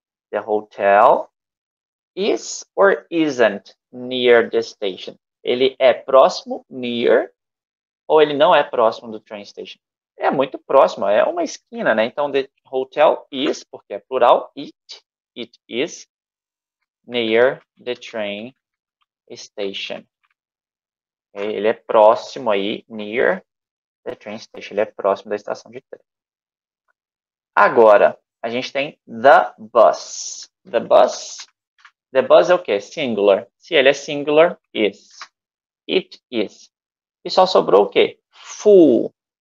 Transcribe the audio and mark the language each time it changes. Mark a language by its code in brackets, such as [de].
[en] The hotel is or isn't near the station. [pt] Ele é próximo, near, ou ele não é próximo do train station? É muito próximo, é uma esquina, né? [en] Então, the hotel is, [pt] porque é plural, [en] it is near the train station. [pt] Ele é próximo aí, [en] near the train station. [pt] Ele é próximo da estação de trem. Agora, a gente tem the bus. [en] The bus. The bus [pt] é o quê? Singular. Se ele é singular, is. It is. E só sobrou o quê? Full.